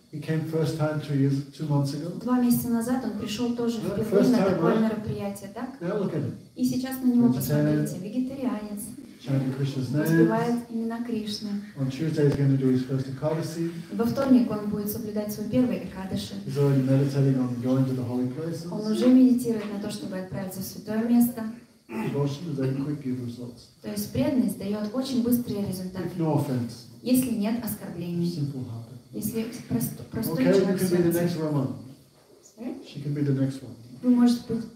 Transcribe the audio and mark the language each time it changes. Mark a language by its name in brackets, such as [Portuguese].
[English] He came first time 2 months ago. [Russian] 2 месяца назад он пришел тоже впервые на такое мероприятие, так? [English] Now look at him. [Russian] И сейчас на него посмотрите. Вегетарианец. [English] Chanting Krishna's name. [Russian] Воспевает имена Кришны. [English] On Tuesday he's going to do his first Ekadashi. [Russian] Во вторник он будет соблюдать свой первый Экадаши. [English] He's already meditating on going to the holy places. [Russian] Он уже медитирует на то, чтобы отправиться в святое место. [English] Devotion is very quick give results. [Russian] То есть преданность дает очень быстрые результаты. [English] No offense. [Russian] Если нет оскорблений. [English] Simple heart. [Russian] Если простой человек в сердце. [English] Okay, she can be the next one.